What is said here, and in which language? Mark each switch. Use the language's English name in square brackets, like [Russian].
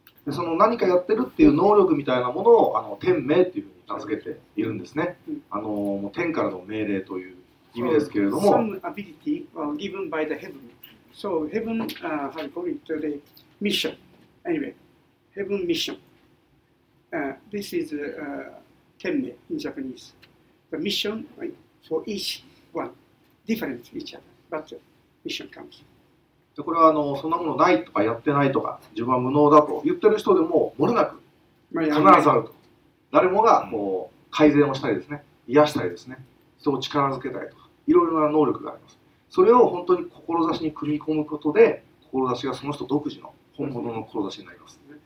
[Japanese] その何かやってるっていう能力みたいなものを天命っていうふうに名付けているんですね。もう天からの命令という意味ですけれども。 [English] Some ability given by the heaven. So heaven, how you call it, the mission. Anyway, heaven mission. This is 天命 in Japanese. the mission for each one, different to each other, but the mission comes. [Japanese] でこれはそんなものないとかやってないとか自分は無能だと言ってる人でも漏れなく必ずあると。誰もがこう改善をしたりですね、癒したりですね、人を力づけたりとか、いろいろな能力があります。それを本当に志に組み込むことで、志がその人独自の本物の志になります。